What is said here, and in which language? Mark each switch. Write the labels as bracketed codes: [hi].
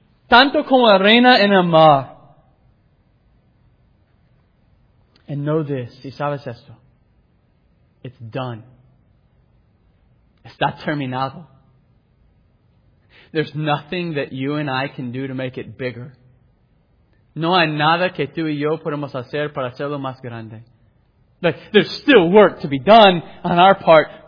[es] tanto como arena en el mar. [en] And know this, [es] y sabes esto, [en] it's done. [es] Está terminado. [en] There's nothing that you and I can do to make it bigger. [es] No hay nada que tú y yo podemos hacer para hacerlo más grande. [en] But there's still work to be done on our part.